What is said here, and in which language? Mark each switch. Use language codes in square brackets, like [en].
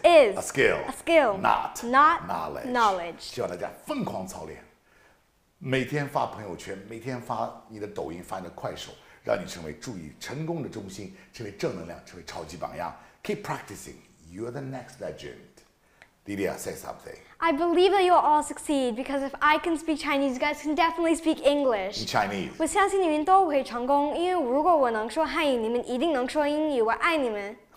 [en] a skill, not knowledge. Knowledge. [zh] 希望大家疯狂操练，每天发朋友圈，每天发你的抖音，发你的快手，让你成为注意成功的中心，成为正能量，成为超级榜样。 [en] Keep practicing, you're the next legend. Lydia, say something. I believe that you'll all succeed, because if I can speak Chinese, you guys can definitely speak English. In Chinese. [zh] 我相信你们都会成功，因为如果我能说汉语，你们一定能说英语。我爱你们。